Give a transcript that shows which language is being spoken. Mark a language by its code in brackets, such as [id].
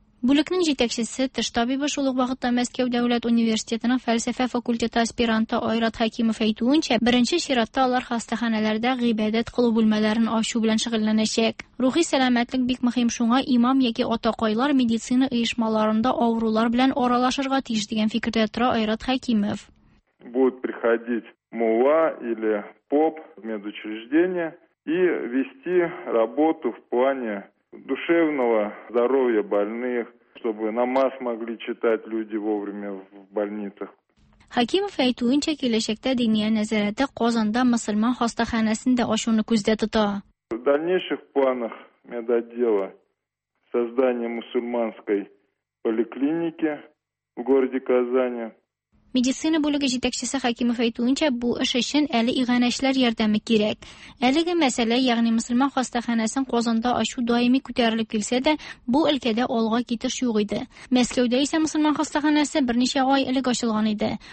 [tt] Бүлекнең җитәкчесе тыш табибы шул ук вакытта Мәскәү дәүләт университетының фәлсәфә факультеты аспиранты Айрат Хакимов әйтүенчә, беренче чиратта алар хастаханәләрдә гыйбадәт кылу бүлмәләрен ачу белән шөгыльләнәчәк. Рухи сәламәтлек бик мөһим, шуңа имам яки атакайлар медицина оешмаларында авырулар белән аралашырга тиеш дигән фикердә тора Айрат Хакимов. [ru] Будут приходить мулла или поп в медучреждение и вести работу в плане душевного здоровья больных, чтобы намаз могли читать люди вовремя в больницах. [tt] Хакимов әйтүенчә, киләчәктә диния нәзәрәте Казанда мусульман хастаханәсендә ачуны күздә тота. [ru] В дальнейших планах медотдела создание мусульманской поликлиники в городе Казани. [tt] Медицина бүлеге җитәкчесе Хакимов әйтүенчә, бу эш өчен әле иганәчләр ярдәме кирәк. Әлеге мәсьәлә, ягъни мусульман хастаханәсен Казанда ачу даими күтәрелеп килсә дә, бу өлкәдә алга китеш юк иде. Мәскәүдә исә мусульман хастаханәсе берничә ай элек ачылган иде.